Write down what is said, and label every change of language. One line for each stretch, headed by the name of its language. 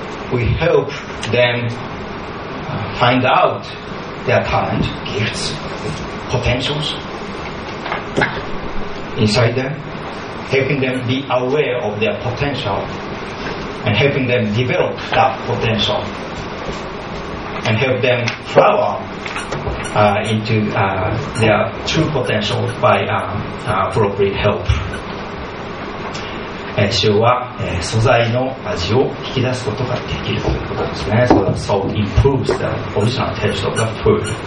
English: We help them find out their talent, gifts, potentials inside them, helping them be aware of their potential and helping them develop that potential and help them flower into their true potential by appropriate help.
Japanese: 主は素材の味を引き出すことができるということですね。
English: So that salt improves the original taste of the food.